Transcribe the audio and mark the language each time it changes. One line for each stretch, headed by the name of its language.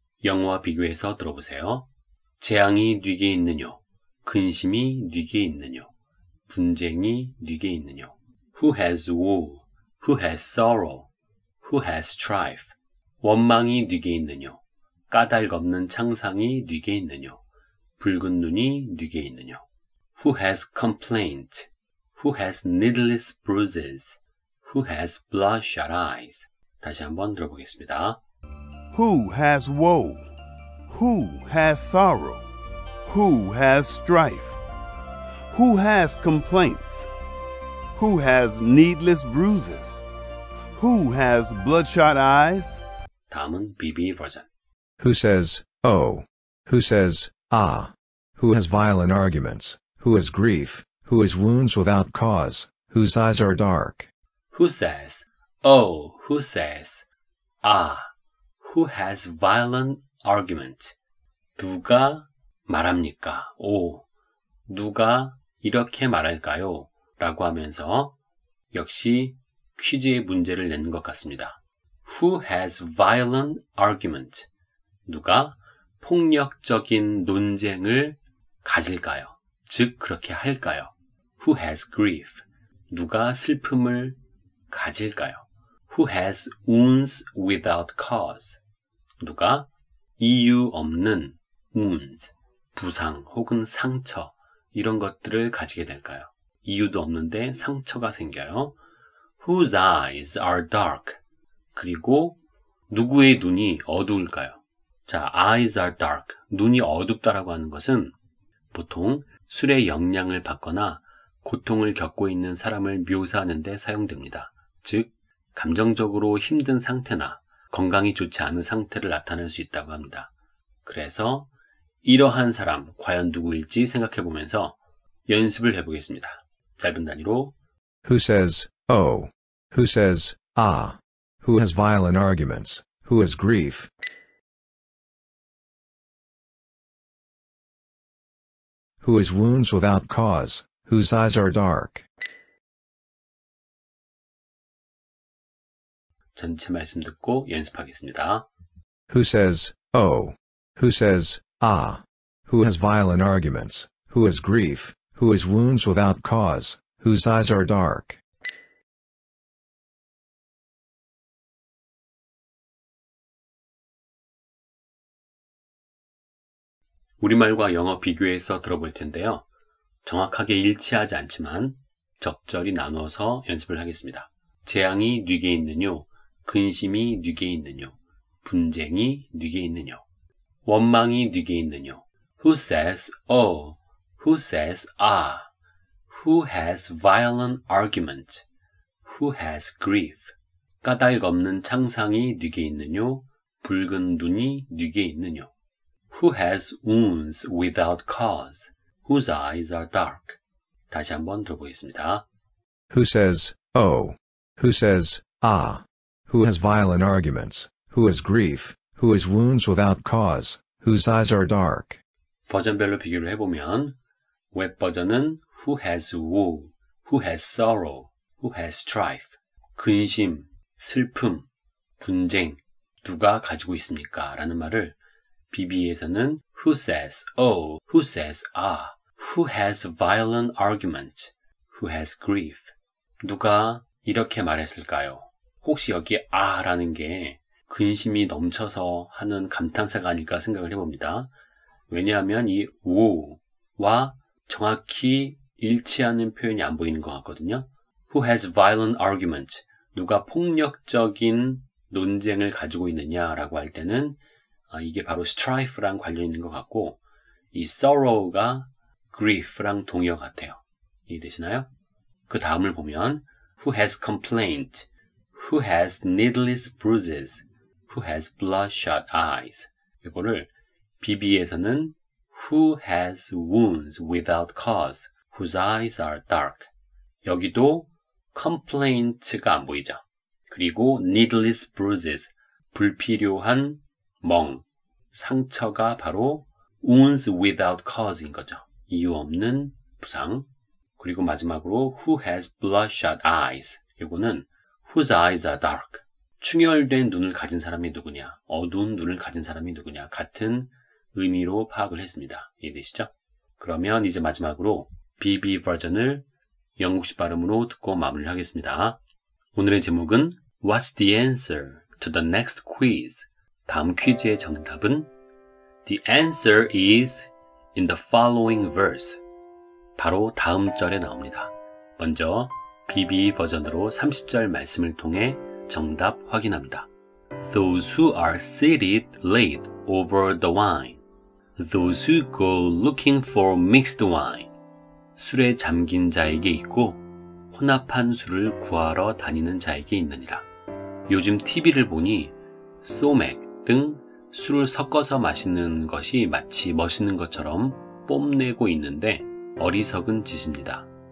Korean: 영어와 비교해서 들어보세요. 재앙이 뉘게 있느뇨, 근심이 뉘게 있느뇨, 분쟁이 뉘게 있느뇨.
English: Who has woe? Who has sorrow? Who has strife?
Korean: 원망이 뉘게 있느뇨. 까닭 없는 창상이 뉘게 있느뇨? 붉은 눈이 뉘게 있느뇨?
English: Who has complaint? Who has needless bruises? Who has bloodshot eyes?
Korean: 다시 한번 들어보겠습니다.
English: Who has woe? Who has sorrow? Who has strife? Who has complaints? Who has needless bruises? Who has bloodshot eyes?
Korean: 다음은 BB 버전.
English: Who says, oh? Who says, ah? Who has violent arguments? Who has grief? Who has wounds without cause? Whose eyes are dark? Who says, oh? Who says, ah? Who has violent arguments?
Korean: 누가 말합니까? 오, 누가 이렇게 말할까요? 라고 하면서 역시 퀴즈의 문제를 내는 것 같습니다.
English: Who has violent arguments?
Korean: 누가 폭력적인 논쟁을 가질까요? 즉, 그렇게 할까요?
English: Who has grief?
Korean: 누가 슬픔을 가질까요?
English: Who has wounds without cause?
Korean: 누가 이유 없는 wounds, 부상 혹은 상처 이런 것들을 가지게 될까요? 이유도 없는데 상처가 생겨요.
English: Whose eyes are dark?
Korean: 그리고 누구의 눈이 어두울까요? 자,
English: eyes are dark,
Korean: 눈이 어둡다라고 하는 것은 보통 술의 영향을 받거나 고통을 겪고 있는 사람을 묘사하는 데 사용됩니다. 즉, 감정적으로 힘든 상태나 건강이 좋지 않은 상태를 나타낼 수 있다고 합니다. 그래서 이러한 사람 과연 누구일지 생각해 보면서 연습을 해보겠습니다. 짧은 단위로
English: Who says, oh? Who says, ah? Who has violent arguments? Who has grief? Who has wounds without cause? Whose eyes are dark?
Korean: 전체 말씀 듣고 연습하겠습니다.
English: Who says, oh? Who says, ah? Who has violent arguments? Who has grief? Who has wounds without cause? Whose eyes are dark?
Korean: 우리말과 영어 비교해서 들어볼 텐데요. 정확하게 일치하지 않지만 적절히 나누어서 연습을 하겠습니다. 재앙이 뉘게 있느뇨, 근심이 뉘게 있느뇨, 분쟁이 뉘게 있느뇨, 원망이 뉘게 있느뇨.
English: Who says, oh? Who says, ah? Who has violent argument? Who has grief?
Korean: 까닭 없는 창상이 뉘게 있느뇨, 붉은 눈이 뉘게 있느뇨.
English: Who has wounds without cause? Whose eyes are dark?
Korean: 다시 한번 들어보겠습니다.
English: Who says, oh? Who says, ah? Who has violent arguments? Who has grief? Who has wounds without cause? Whose eyes are dark?
Korean: 버전별로 비교를 해보면 웹 버전은
English: Who has woe? Who has sorrow? Who has strife?
Korean: 근심, 슬픔, 분쟁, 누가 가지고 있습니까? 라는 말을 BB에서는
English: Who says, oh, who says, ah, who has violent argument, who has grief.
Korean: 누가 이렇게 말했을까요? 혹시 여기 아라는 게 근심이 넘쳐서 하는 감탄사가 아닐까 생각을 해봅니다. 왜냐하면 이 woe와 정확히 일치하는 표현이 안 보이는 것 같거든요.
English: Who has violent argument,
Korean: 누가 폭력적인 논쟁을 가지고 있느냐라고 할 때는 이게 바로 strife랑 관련 있는 것 같고 이 sorrow가 grief랑 동의어 같아요. 이해되시나요? 그 다음을 보면
English: Who has complaint? Who has needless bruises? Who has bloodshot eyes?
Korean: 이거를 BB에서는
English: Who has wounds without cause? Whose eyes are dark?
Korean: 여기도 complaint가 안 보이죠. 그리고 needless bruises, 불필요한 멍, 상처가 바로
English: wounds without cause
Korean: 인 거죠. 이유 없는 부상. 그리고 마지막으로
English: Who has bloodshot eyes?
Korean: 이거는
English: Whose eyes are dark?
Korean: 충혈된 눈을 가진 사람이 누구냐? 어두운 눈을 가진 사람이 누구냐? 같은 의미로 파악을 했습니다. 이해되시죠? 그러면 이제 마지막으로 BB 버전을 영국식 발음으로 듣고 마무리를 하겠습니다. 오늘의 제목은
English: What's the answer to the next quiz?
Korean: 다음 퀴즈의 정답은
English: The answer is in the following verse.
Korean: 바로 다음 절에 나옵니다. 먼저 BB 버전으로 30절 말씀을 통해 정답 확인합니다.
English: Those who are seated late over the wine. Those who go looking for mixed wine.
Korean: 술에 잠긴 자에게 있고 혼합한 술을 구하러 다니는 자에게 있느니라. 요즘 TV를 보니 소맥 등 술을 섞어서 마시는 것이 마치 멋있는 것처럼 뽐내고 있는데 어리석은 짓입니다.